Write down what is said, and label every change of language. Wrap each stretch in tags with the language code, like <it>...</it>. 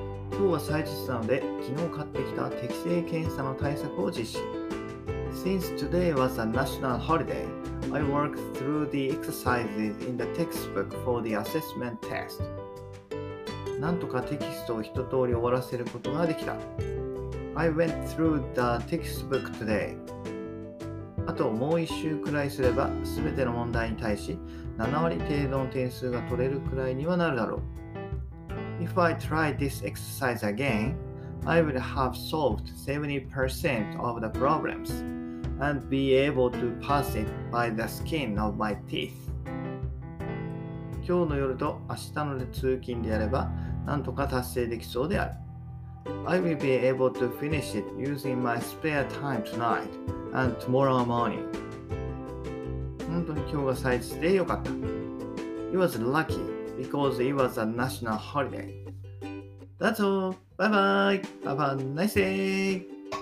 <ja>今日は祭日なので、昨日買ってきた適性検査の対策を実施。</ja> <en>Since today was a national holiday, I worked through the exercises in the textbook for the assessment test.</en> <ja>なんとかテキストを一通り終わらせることができた。</ja> <en>I went through the textbook today.</en> <ja>あともう一週くらいすれば、すべての問題に対し、7割程度の点数が取れるくらいにはなるだろう。</ja> <en>If I try this exercise again, I would have solved 70% of the problems and be able to pass it by the skin of my teeth.</en> <ja>今日の夜と明日の通勤であれば、なんとか達成できそうである。</ja> <en>I will be able to finish it using my spare time tonight. And tomorrow morning.</en> <ja>本当に今日が祭日でよかった。</ja> <en>It was lucky because it was a national holiday. That's all. Bye bye. Have a nice day.</en>